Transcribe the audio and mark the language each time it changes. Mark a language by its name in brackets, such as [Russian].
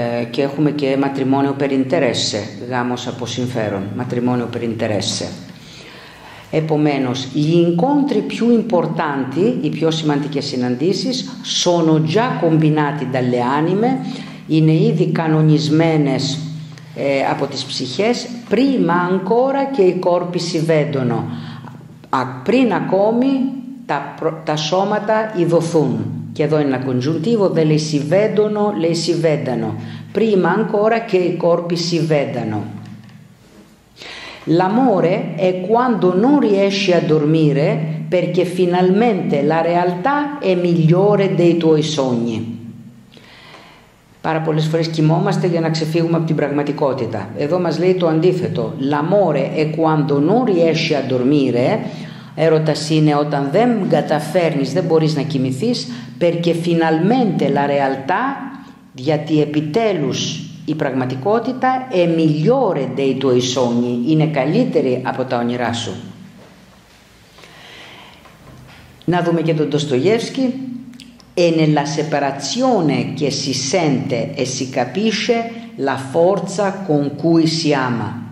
[Greek] Και έχουμε και ματριμόνιο [Italian] per interesse, [Greek] γάμος από συμφέρον, ματριμόνιο per interesse. Επομένως, [Italian] gli incontri più importanti, [Greek] οι πιο σημαντικές συναντήσεις, [Italian] sono già combinati dalle anime, [Greek] είναι ήδη κανονισμένες από τις ψυχές, [Italian] prima ancora che i corpi si vedono, [Greek] πριν ακόμη τα σώματα ειδωθούν. Και εδώ είναι ένα congiuntivo, δεν λέει si vedono, λέει si vedano, [Italian] prima ancora che i corpi si vedano. L'amore è quando non riesci a dormire perché finalmente la realtà è migliore dei tuoi sogni. [Greek] Πάρα πολλές φορές κοιμόμαστε για να ξεφύγουμε από την πραγματικότητα. Εδώ μας λέει το αντίθετο. [Italian] L'amore è quando non riesci a dormire. [Greek] Έρωτας είναι όταν δεν καταφέρνεις, δεν μπορείς να κοιμηθείς, [Italian] perché finalmente la realtà, [Greek] γιατί επιτέλους η πραγματικότητα [Italian] è migliore dei tuoi sogni, [Greek] είναι καλύτερη από τα όνειρά σου. Να δούμε και τον Ντοστογεύσκη. [Italian] E nella separazione che si sente e si capisce la forza con cui si ama.